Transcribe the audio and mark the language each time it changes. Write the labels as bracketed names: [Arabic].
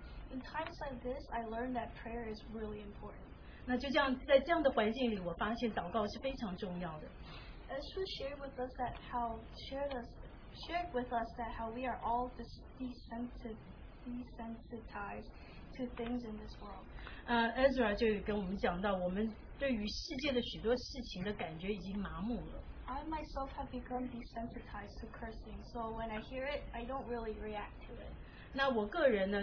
[English] In times like this, I learned that prayer is really important. [Chinese] 那就这样，在这样的环境里，我发现祷告是非常重要的。 [English] As she shared with us that how shared with us that we are all desensitized to things in this world. [Chinese] Ezra 就跟我们讲到，我们对于世界的许多事情的感觉已经麻木了。 [English] I myself have become desensitized to cursing, so when I hear it, I don't really react to it.